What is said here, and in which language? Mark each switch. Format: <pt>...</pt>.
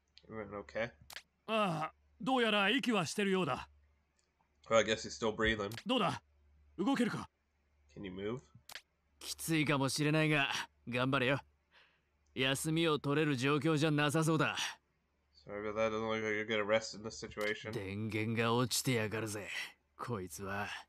<en>Everyone okay?</en> <ja>ああ、どうやら息はしてるようだ。</ja> <en>Well, I guess he's still breathing.</en> <ja>どうだ？動けるか？</ja> <en>Can you move?</en> <ja>きついかもしれないが、頑張れよ。休みを取れる状況じゃなさそうだ。</ja> <en>Sorry, but that doesn't look like you're gonna rest in this situation.</en> <ja>電源が落ちてやがるぜ、こいつは。</ja>